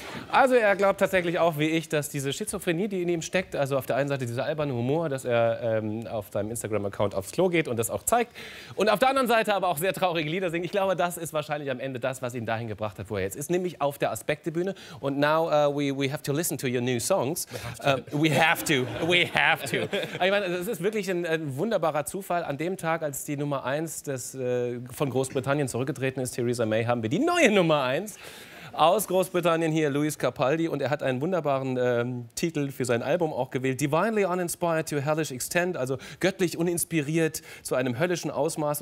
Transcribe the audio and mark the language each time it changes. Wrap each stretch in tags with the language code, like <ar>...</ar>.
<de>Also er glaubt tatsächlich auch wie ich, dass diese Schizophrenie, die in ihm steckt, also auf der einen Seite dieser alberne Humor, dass er auf seinem Instagram-Account aufs Klo geht und das auch zeigt, und auf der anderen Seite aber auch sehr traurige Lieder singt. Ich glaube, das ist wahrscheinlich am Ende das, was ihn dahin gebracht hat, wo er jetzt ist, nämlich auf der Aspektebühne.</de> <en>Und now we have to listen to your new songs. We have to.</en> <de>Ich meine, das ist wirklich ein wunderbarer Zufall. An dem Tag, als die Nummer 1 von Großbritannien zurückgetreten ist, Theresa May, haben wir die neue Nummer 1 aus Großbritannien hier, Louis Capaldi. Und er hat einen wunderbaren Titel für sein Album auch gewählt. Divinely Uninspired to a Hellish Extent, also göttlich uninspiriert zu einem höllischen Ausmaß.</de>